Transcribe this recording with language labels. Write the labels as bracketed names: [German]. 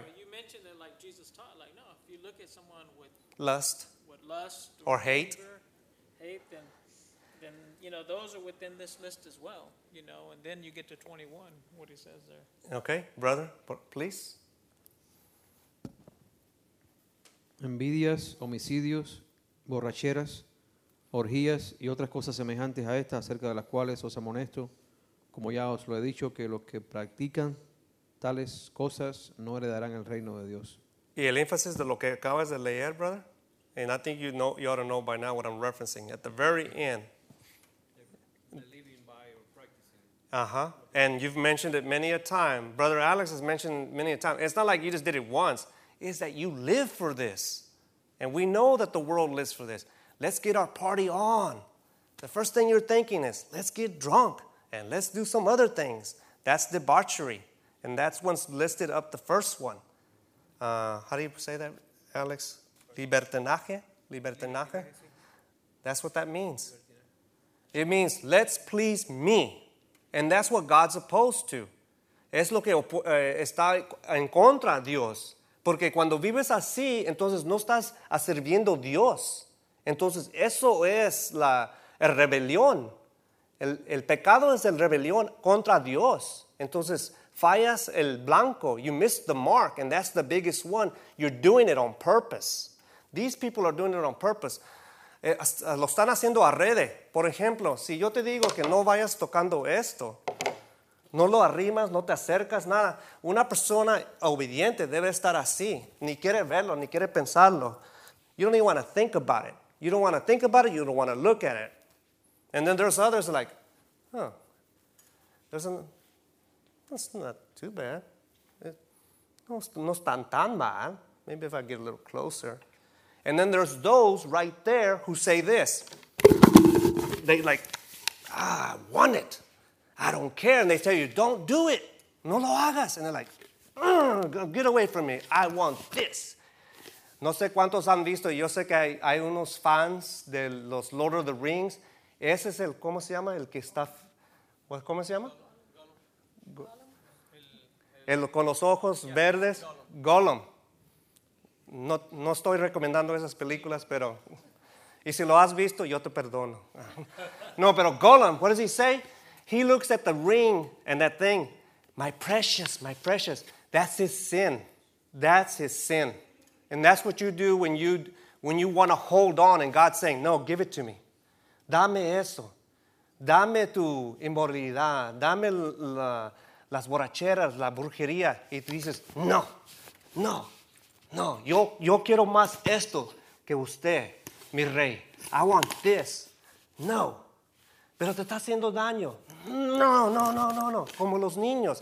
[English] But you mentioned that like Jesus taught, like, no, if you look at someone with lust. With lust. Or hate. Hate, then, you know, those are within this list as well, you know. And then you get to 21, what he says there. Okay, brother, please. [Spanish] Envidias, homicidios, borracheras, orgías y otras cosas semejantes a estas, acerca de las cuales os amonesto, como ya os lo he dicho, que los que practican tales cosas no heredarán el reino de Dios. Y el énfasis de lo que acabas de leer, [English] brother, and I think you know, you ought to know by now what I'm referencing, at the very end. They're living by or practicing. Uh-huh. And you've mentioned it many a time. Brother Alex has mentioned it many a time. It's not like you just did it once. Is that you live for this. And we know that the world lives for this. Let's get our party on. The first thing you're thinking is, let's get drunk and let's do some other things. That's debauchery. And that's what's listed up the first one. How do you say that, Alex? Libertinaje. Libertinaje. That's what that means. It means, let's please me. And that's what God's opposed to. [Spanish] Es lo que está en contra de Dios. Porque cuando vives así, entonces no estás sirviendo a Dios. Entonces eso es la rebelión. El pecado es el rebelión contra Dios. Entonces fallas el blanco. [English] You miss the mark, and that's the biggest one. You're doing it on purpose. These people are doing it on purpose. [Spanish] Lo están haciendo a rede. Por ejemplo, si yo te digo que no vayas tocando esto, no lo arrimas, no te acercas, nada. Una persona obediente debe estar así. Ni quiere verlo, ni quiere pensarlo. [English] You don't even want to think about it. You don't want to think about it. You don't want to look at it. And then there's others like, huh. That's not too bad. [Spanish] No están tan mal. [English] Maybe if I get a little closer. And then there's those right there who say this. They like, I want it. I don't care. And they tell you, don't do it. [Spanish] No lo hagas. [English] And they're like, get away from me. I want this. [Spanish] No sé cuántos han visto. Yo sé que hay unos fans de los Lord of the Rings. Ese es el, ¿cómo se llama? El que está, ¿cómo se llama? Gollum. El con los ojos verdes. Gollum. No estoy recomendando esas películas, pero Y si lo has visto, yo te perdono. No, pero [English] Golem, what does he say? He looks at the ring and that thing. My precious, that's his sin. That's his sin. And that's what you do when you want to hold on and God's saying, no, give it to me. [Spanish] Dame eso. Dame tu inmoralidad. Dame las borracheras, la brujería. Y tú dices, no, no, no. Yo quiero más esto que usted, mi rey. [English] I want this. [Spanish] No. Pero te está haciendo daño. No, no, no, no, no. Como los niños.